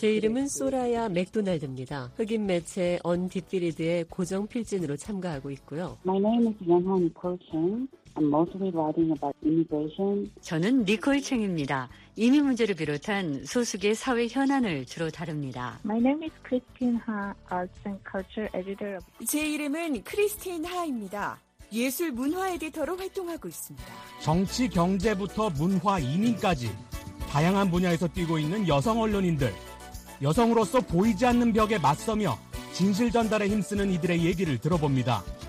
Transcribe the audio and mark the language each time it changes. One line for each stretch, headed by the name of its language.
Korean: 제 이름은 소라야 맥도날드입니다. 흑인 매체 언디피리드의 고정 필진으로 참가하고 있고요.
English: My name is Yeonhan Nicole-Cheng. I'm mostly writing about immigration.
Korean: 저는 니콜 챙입니다. 이민 문제를 비롯한 소수계 사회 현안을 주로 다룹니다.
English: My name is Christine Ha, Arts and Culture Editor.
Korean: 제 이름은 크리스틴 하입니다. 예술 문화 에디터로 활동하고 있습니다. 정치 경제부터 문화 이민까지 다양한 분야에서 뛰고 있는 여성 언론인들. 여성으로서 보이지 않는 벽에 맞서며 진실 전달에 힘쓰는 이들의 얘기를 들어봅니다.